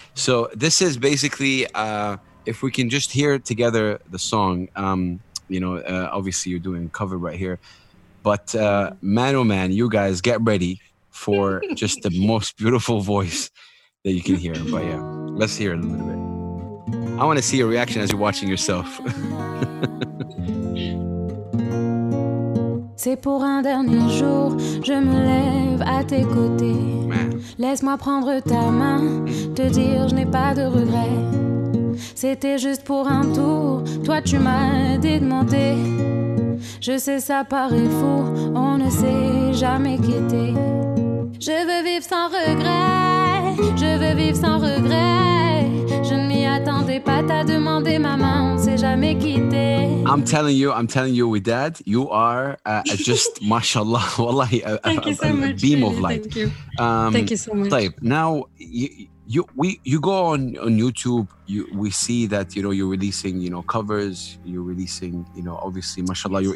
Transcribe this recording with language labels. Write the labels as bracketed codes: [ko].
[en] So this is basically, if we can just hear together the song, you know, obviously you're doing cover right here, but man, oh man, you guys get ready for just the most beautiful voice that you can hear. But yeah, let's hear it a little bit. I want to see your reaction as you're watching yourself. [fr] C'est pour un dernier jour, je me lève à tes côtés. Laisse-moi prendre ta main, te dire je n'ai pas de regrets. C'était juste pour un tour, toi tu m'as demandé. Je sais ça paraît fou, on ne s'est jamais quitté. Je veux vivre sans regret, je veux vivre sans regret. Je ne m'y attendais pas, t'as demandé ma main, on s'est jamais quitté. [en] I'm telling you with dad, you are just mashallah, wallahi, a beam of light. Thank you. Thank you so much. Type. Now you go on YouTube, we see that, you know, you're releasing, you know, covers, you're releasing, you know, obviously mashallah, yes.